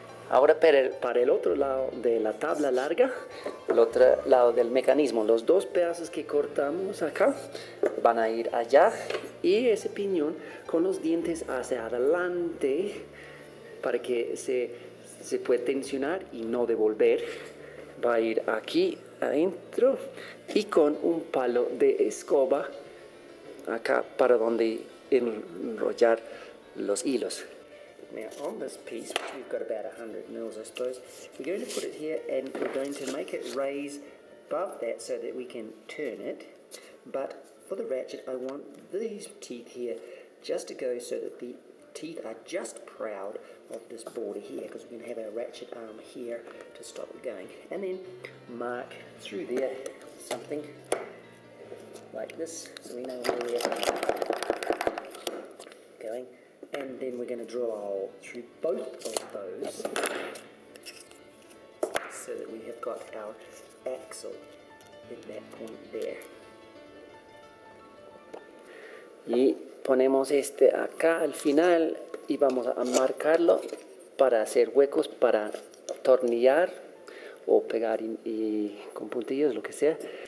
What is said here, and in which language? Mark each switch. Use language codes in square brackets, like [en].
[es] Ahora para el otro lado de la tabla larga, el otro lado del mecanismo, los dos pedazos que cortamos acá van a ir allá, y ese piñón con los dientes hacia adelante para que se pueda tensionar y no devolver, va a ir aquí adentro, y con un palo de escoba acá para donde enrollar los hilos. [en] Now on this piece, which we've got about 100 mils, I suppose, we're going to put it here and we're going to make it raise above that so that we can turn it. But for the ratchet, I want these teeth here just to go so that the teeth are just proud of this border here, because we're going to have our ratchet arm here to stop it going. And then mark through there something like this so we know where we're going. And then we're going to drill a hole through both of those so that we have got our axle at that point there. [es] Y ponemos este acá al final y vamos a marcarlo para hacer huecos para tornillar o pegar y con puntillos, lo que sea.